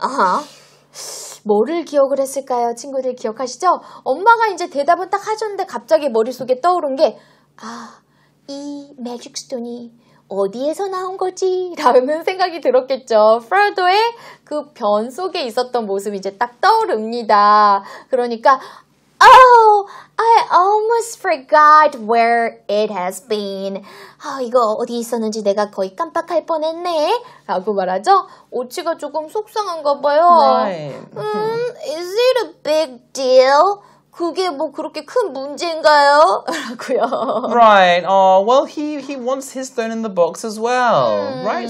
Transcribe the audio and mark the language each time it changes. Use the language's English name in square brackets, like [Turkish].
[Korean] 아하. 뭐를 기억을 했을까요? 친구들 기억하시죠? 엄마가 이제 대답을 딱 하셨는데 갑자기 머릿속에 떠오른 게 아, 이 매직 스톤이 어디에서 나온 거지? 라는 생각이 들었겠죠. 프로도의 그 변 속에 있었던 모습이 이제 딱 떠오릅니다. [English] 그러니까 Oh, I almost forgot where it has been. [Korean] 아, 이거 어디 있었는지 내가 거의 깜빡할 뻔했네. 라고 말하죠. 오치가 조금 속상한가 봐요. [English] Right. Is it a big deal? [Korean] 그게 뭐 그렇게 큰 문제인가요? 라고요. [English] Right. Oh, well, he wants his stone in the box as well. Right?